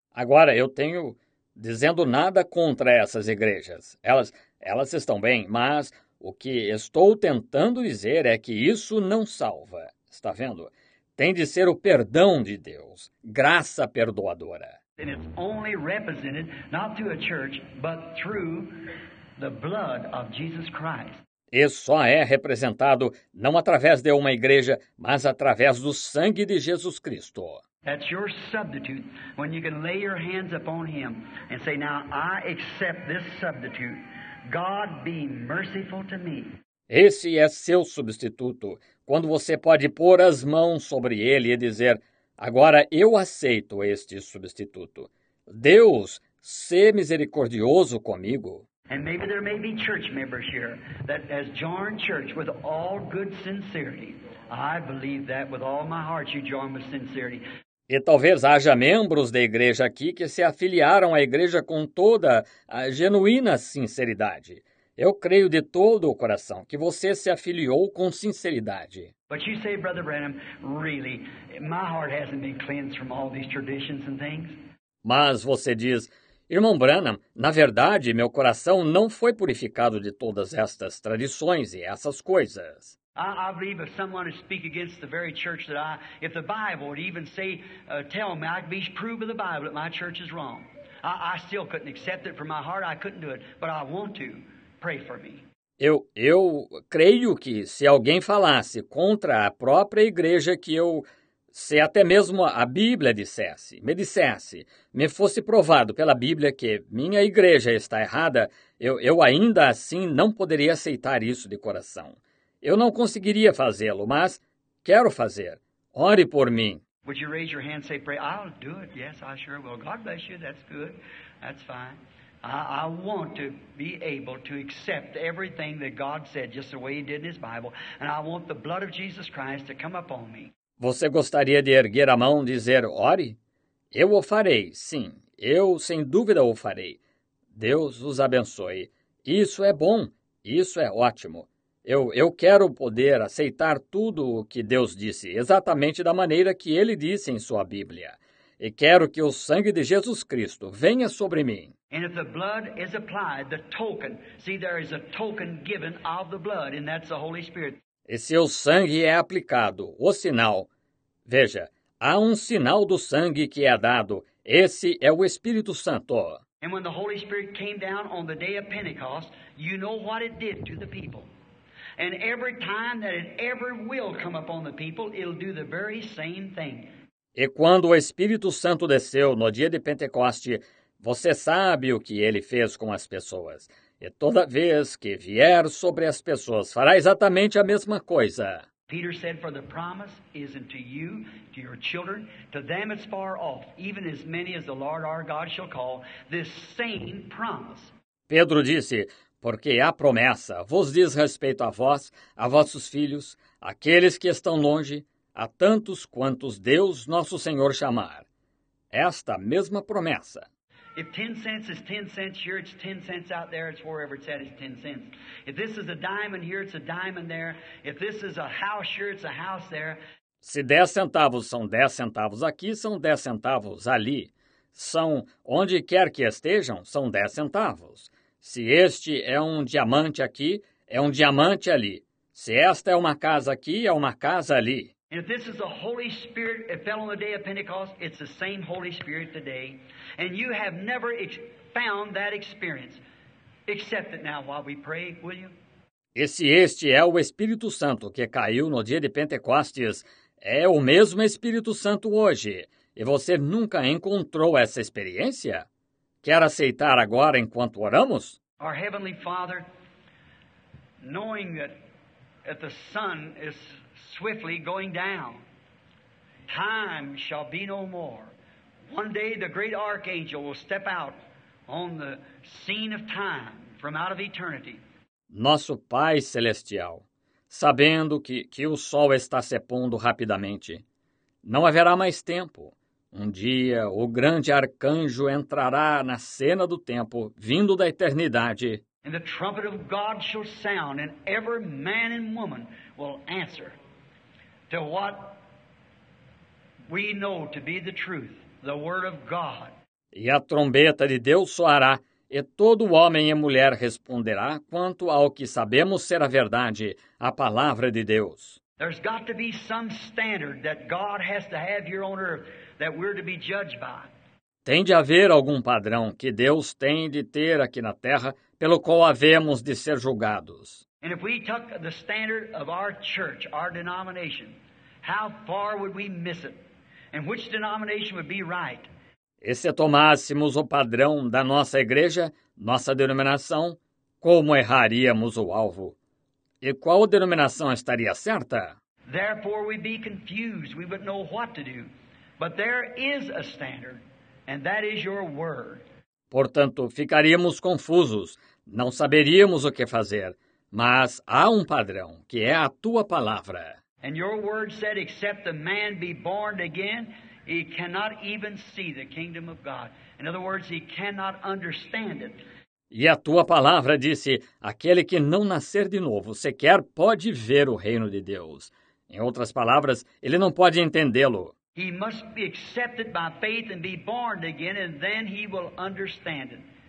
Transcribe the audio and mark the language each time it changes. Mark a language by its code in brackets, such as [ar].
[pt] Agora, eu tenho dizendo nada contra essas igrejas. Elas estão bem, mas o que estou tentando dizer é que isso não salva. Está vendo? Tem de ser o perdão de Deus, graça perdoadora. [en] And it's only represented not through a church, but through the blood of Jesus Christ. [pt] e só é representado não através de uma igreja, mas através do sangue de Jesus Cristo. [en] That's your substitute when you can lay your hands upon him and say, now I accept this substitute. God be merciful to me. [pt] Esse é seu substituto, quando você pode pôr as mãos sobre ele e dizer, agora eu aceito este substituto. Deus, se misericordioso comigo. [en] And maybe there may be church members here that has joined church with all good sincerity. I believe that with all my heart you join with sincerity. [pt] E talvez haja membros da igreja aqui que se afiliaram à igreja com toda a genuína sinceridade. Eu creio de todo o coração que você se afiliou com sinceridade. [en] But you say, Brother Branham, really, my heart hasn't been cleansed from all these traditions and things. [pt] Mas você diz, irmão Branham, na verdade, meu coração não foi purificado de todas estas tradições e essas coisas. [en] I believe if someone would speak against the very church that I, if the Bible would even say, tell me, I'd be proved by the Bible that my church is wrong. I still couldn't accept it from my heart. I couldn't do it, but I want to. Pray for me. [pt] Eu creio que se alguém falasse contra a própria igreja que eu, se até mesmo a Bíblia dissesse, me dissesse, me fosse provado pela Bíblia que minha igreja está errada, eu ainda assim não poderia aceitar isso de coração. Eu não conseguiria fazê-lo, mas quero fazer. Ore por mim. [en] Would you raise your hand and say, pray? I'll do it. Yes, I sure will. God bless you. That's good. That's fine. I want to be able to accept everything that God said, just the way he did in his Bible. And I want the blood of Jesus Christ to come upon me. [pt] Você gostaria de erguer a mão e dizer, ore? Eu o farei, sim. Eu, sem dúvida, o farei. Deus os abençoe. Isso é bom. Isso é ótimo. Eu quero poder aceitar tudo o que Deus disse, exatamente da maneira que ele disse em sua Bíblia. E quero que o sangue de Jesus Cristo venha sobre mim. [en] And if the blood is applied, the token, see, there is a token given of the blood, and that's the Holy Spirit. [pt] E se o sangue é aplicado, o sinal, veja, há um sinal do sangue que é dado, esse é o Espírito Santo. [en] And when the Holy Spirit came down on the day of Pentecost, you know what it did to the people. And every time that it ever will come upon the people, it'll do the very same thing. [pt] E quando o Espírito Santo desceu no dia de Pentecoste, você sabe o que ele fez com as pessoas. E toda vez que vier sobre as pessoas, fará exatamente a mesma coisa. [en] Peter said, for the promise is unto you, to your children, to them it's far off, even as many as the Lord our God shall call, this same promise. [pt] Pedro disse, porque a promessa vos diz respeito a vós, a vossos filhos, àqueles que estão longe, a tantos quantos Deus nosso Senhor chamar. Esta mesma promessa. [en] If 10 cents is 10 cents here, it's 10 cents out there, it's wherever it's at, it's 10 cents. If this is a diamond here, it's a diamond there. If this is a house here, it's a house there. [pt] Se 10 centavos são 10 centavos aqui, são 10 centavos ali. São onde quer que estejam, são 10 centavos. Se este é um diamante aqui, é um diamante ali. Se esta é uma casa aqui, é uma casa ali. [en] And if this is the Holy Spirit that fell on the day of Pentecost, it's the same Holy Spirit today. And you have never found that experience. Accept it now while we pray, will you? [pt] E se este é o Espírito Santo que caiu no dia de Pentecostes, é o mesmo Espírito Santo hoje. E você nunca encontrou essa experiência? Quer aceitar agora enquanto oramos? [en] Our Heavenly Father, knowing that the Son is swiftly going down. Time shall be no more. One day the great archangel will step out on the scene of time from out of eternity. [pt] Nosso Pai Celestial, sabendo que o sol está se pondo rapidamente, não haverá mais tempo. Um dia o grande arcanjo entrará na cena do tempo, vindo da eternidade. [en] And the trumpet of God shall sound, and every man and woman will answer to what we know to be the truth, the Word of God. [pt] E a trombeta de Deus soará, e todo homem e mulher responderá quanto ao que sabemos ser a verdade, a palavra de Deus. [en] There's got to be some standard that God has to have here on earth that we're to be judged by. [pt] Tem de haver algum padrão que Deus tem de ter aqui na terra pelo qual havemos de ser julgados. [en] And if we took the standard of our church, our denomination, how far would we miss it? And which denomination would be right? [pt] E se tomássemos o padrão da nossa igreja, nossa denominação, como erraríamos o alvo? E qual denominação estaria certa? [en] Therefore we'd be confused, we wouldn't know what to do. But there is a standard, and that is your word. [pt] Portanto, ficaríamos confusos, não saberíamos o que fazer, mas há um padrão, que é a tua palavra. [en] And your word said, except the man be born again, he cannot even see the kingdom of God. In other words, he cannot understand it. [pt] E a tua palavra disse, aquele que não nascer de novo sequer pode ver o reino de Deus. Em outras palavras, ele não pode entendê-lo. [en] He must be accepted by faith and be born again, and then he will understand it.